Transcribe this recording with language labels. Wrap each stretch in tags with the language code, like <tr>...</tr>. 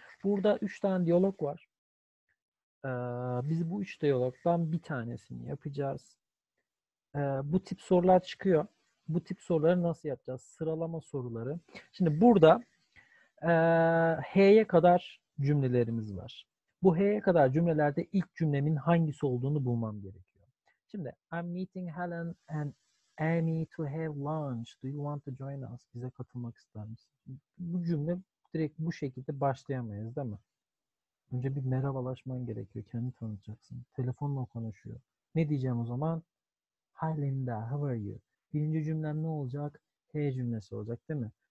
<tr>Burada 3 tane diyalog var. Biz bu 3 diyalogdan bir tanesini yapacağız. Bu tip sorular çıkıyor. Bu tip soruları nasıl yapacağız? Sıralama soruları. Şimdi burada H'ye kadar cümlelerimiz var. Bu H'ye kadar cümlelerde ilk cümlemin hangisi olduğunu bulmam gerekiyor.</tr> <en>Şimdi, I'm meeting Helen and Amy to have lunch. Do you want to join us?</en> <tr>Bize katılmak ister misin? Bu cümle direkt bu şekilde başlayamayız, değil mi? Önce bir merhabalaşman gerekiyor. Kendini tanıtacaksın. Telefonla konuşuyor. Ne diyeceğim o zaman?</tr> <en>Hi Linda, how are you?</en> <tr>Birinci cümlem ne olacak? H cümlesi olacak, değil mi?</tr>